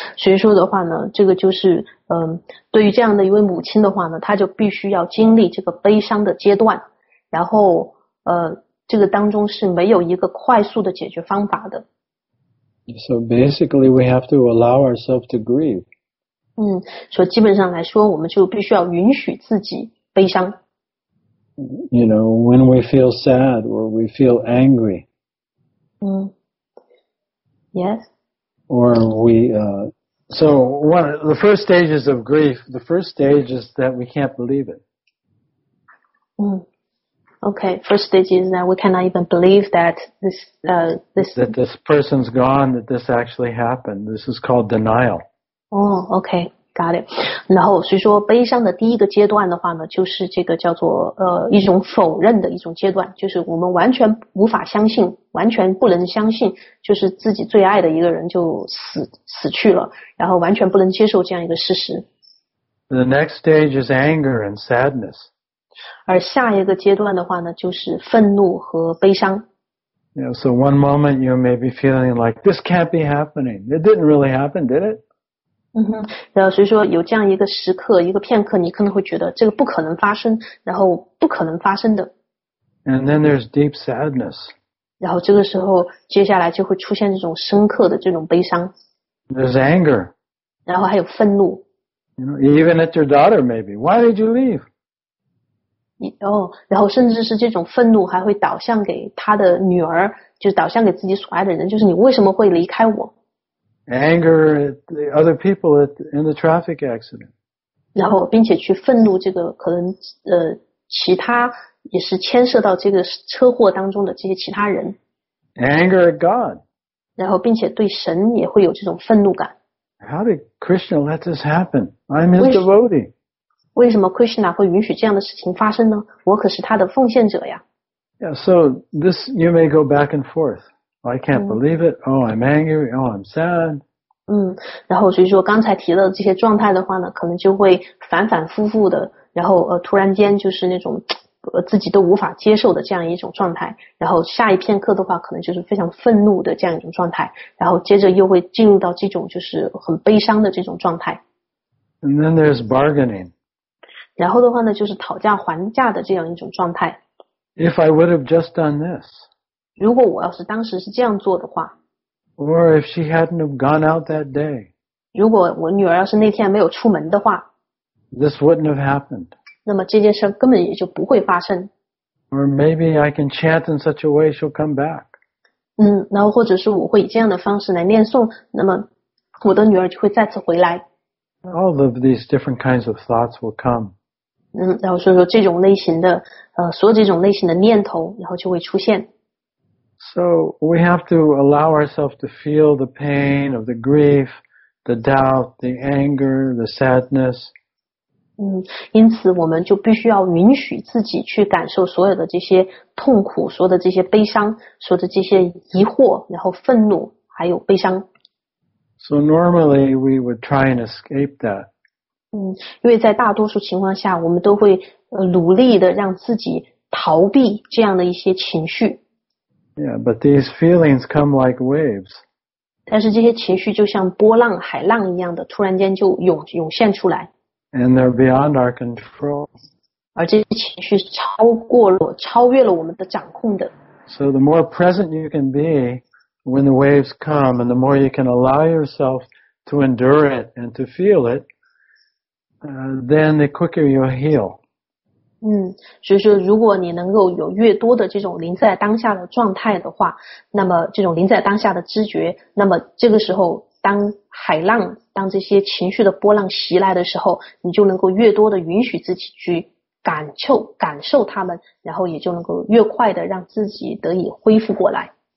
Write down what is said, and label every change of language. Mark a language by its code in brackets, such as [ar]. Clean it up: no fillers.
[zh] 所以说的话呢，这个就是，对于这样的一位母亲的话呢，她就必须要经历这个悲伤的阶段，然后，这个当中是没有一个快速的解决方法的。 [en] So basically, we have to allow ourselves to grieve. [zh] 所以基本上来说，我们就必须要允许自己悲伤。 [en] You know, when we feel sad or we feel angry. Yes. Or we, so one of the first stages of grief, the first stage is that we can't believe it. Okay, first stage is that we cannot even believe that this person's gone, that this actually happened. This is called denial. Okay, got it. [zh] 然后所以说悲伤的第一个阶段的话呢，就是这个叫做一种否认的一种阶段，就是我们完全无法相信，完全不能相信，就是自己最爱的一个人就死去了，然后完全不能接受这样一个事实。 [en] The next stage is anger and sadness. [zh] 而下一个阶段的话呢，就是愤怒和悲伤。 [en] You know, so one moment you may be feeling like, this can't be happening. It didn't really happen, did it? [zh] 然后所以说有这样一个时刻，一个片刻，你可能会觉得这个不可能发生，然后不可能发生的。 [en] And then there's deep sadness. [zh] 然后这个时候接下来就会出现这种深刻的这种悲伤。 [en] There's anger. [zh] 然后还有愤怒。 [en] You know, even at your daughter, maybe. Why did you leave? [zh] 然后甚至是这种愤怒还会导向给他的女儿，就是导向给自己所爱的人，就是你为什么会离开我？ [en] Anger at the other people in the traffic accident. [zh] 然后并且去愤怒这个可能其他也是牵涉到这个车祸当中的这些其他人。 [en] Anger at God. [zh] 然后并且对神也会有这种愤怒感。 [en] How did Krishna let this happen? I'm his devotee. [zh] 为什么 Krishna 会允许这样的事情发生呢？我可是他的奉献者呀。 [en] Yeah, so this you may go back and forth. I can't believe it. Oh, I'm angry. Oh, I'm sad. [zh] 然后所以说刚才提到的这些状态的话呢，可能就会反反复复的，然后突然间就是那种自己都无法接受的这样一种状态，然后下一片刻的话可能就是非常愤怒的这样一种状态，然后接着又会进入到这种就是很悲伤的这种状态。 [en] And then there's bargaining. [zh] 然后的话呢，就是讨价还价的这样一种状态。 [en] If I would have just done this, [zh] 如果我要是当时是这样做的话 [en] ，or if she hadn't have gone out that day, [zh] 如果我女儿要是那天没有出门的话 [en] ，this wouldn't have happened. [zh] 那么这件事根本也就不会发生。 [en] Or maybe I can chant in such a way she'll come back. [zh] 然后或者是我会以这样的方式来念诵，那么我的女儿就会再次回来。 [en] All of these different kinds of thoughts will come. [zh] 然后说这种类型的所有这种类型的念头然后就会出现。 [en] So we have to allow ourselves to feel the pain of the grief, the doubt, the anger, the sadness. [zh] 因此我们就必须要允许自己去感受所有的这些痛苦，所有的这些悲伤，所有的这些疑惑，然后愤怒，还有悲伤。 [en] So normally we would try and escape that. [zh] 因为在大多数情况下我们都会努力的让自己逃避这样的一些情绪。 [en] Yeah, but these feelings come like waves. [zh] 但是这些情绪就像波浪海浪一样的突然间就涌现出来。 [en] And they're beyond our control. [zh] 而这些情绪超越了我们的掌控的。 [en] So the more present you can be,When the waves come, and the more you can allow yourself to endure it and to feel it, then the quicker you'll heal. [zh] 所以说如果你能够有越多的这种临在当下的状态的话，那么这种临在当下的知觉，那么这个时候当海浪，当这些情绪的波浪袭来的时候，你就能够越多的允许自己去感受它们，然后也就能够越快的让自己得以恢复过来。